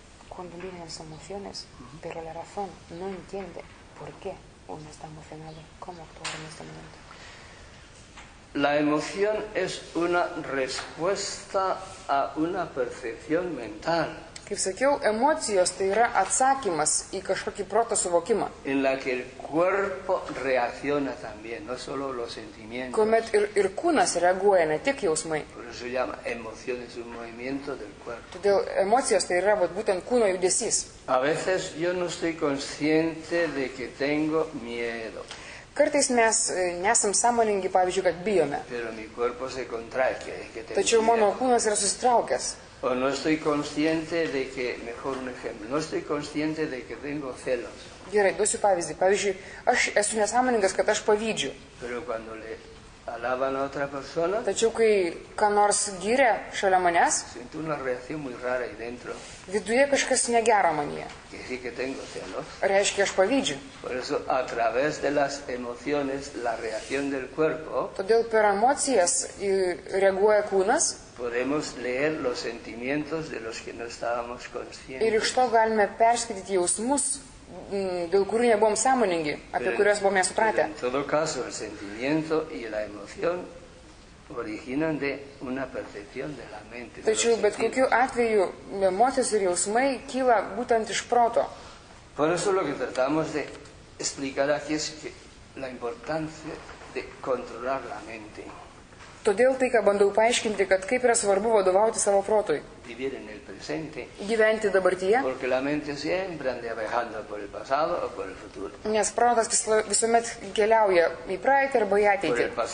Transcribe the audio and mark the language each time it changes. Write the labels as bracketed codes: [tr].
[es] Cuando vienen las emociones, pero la razón no entiende por qué uno está emocionado, cómo actuar en este momento. La emoción es una respuesta a una percepción mental. [lt] Kaip sakiau, emocijos tai yra atsakymas į kažkokį proto suvokimą. [es] En la que el cuerpo reacciona también, no solo los sentimientos. [lt] Kuomet ir kūnas reaguoja, ne tik jausmai. [es] Por eso se llama emociones, un movimiento del cuerpo. [lt] Todėl emocijos tai yra būtent kūno judesys. [es] A veces yo no estoy consciente de que tengo miedo. [lt] Kartais mes nesam sąmoningi, pavyzdžiui, kad bijome. [es] Pero mi cuerpo se contrae, que tengo [lt] Tačiau mano kūnas yra susitraukęs. [es] O no estoy consciente de que, mejor un ejemplo, no estoy consciente de que tengo celos. [lt] Gerai, duosiu pavyzdį. Pavyzdžiui, aš esu nesąmoningas, kad aš pavydžiu. [es] Pero cuando le alaban a otra persona, [lt] Tačiau, kai ką nors gyrė šalia manęs, [es] siento una reacción muy rara ahí dentro. [lt] Viduje kažkas negero manyje. [es] Que tengo celos. [lt] Reiškia, aš pavydžiu. [es] Por eso, a través de las emociones, la reacción del cuerpo, [lt] Todėl per emocijas reaguoja kūnas, [es] Podemos leer los sentimientos de los que no estábamos conscientes. [lt] Ir iš to galime perskaityti jausmus, dėl kurių nebuvom sąmoningi, apie kuriuos buvome supratę. [es] En todo caso, el sentimiento y la emoción originan de una percepción de la mente. [lt] Tačiau, bet kokiu atveju, emocijos ir jausmai kyla būtent iš proto. [es] Por eso lo que tratamos de explicar aquí es que la importancia de controlar la mente. [lt] Todėl tai, ką bandau paaiškinti, kad kaip yra svarbu vadovauti savo protui. Gyventi dabartyje. Nes protas visuomet keliauja į praeitį arba į ateitį.